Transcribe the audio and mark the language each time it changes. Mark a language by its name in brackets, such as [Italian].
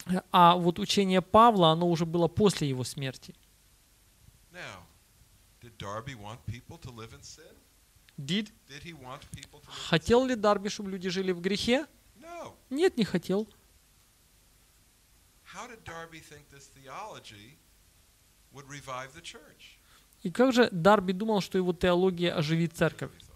[Russian] А вот учение Павла, оно уже было после его смерти. [English] Now, did Darby want people to live in sin? Did he want people to live in sin? [Russian] Хотел ли Дарби, чтобы люди жили в грехе? [English] No. [Russian] Нет, не хотел. [English] How did Darby think this theology would revive the church? [Russian] И как же Дарби думал, что его теология оживит церковь?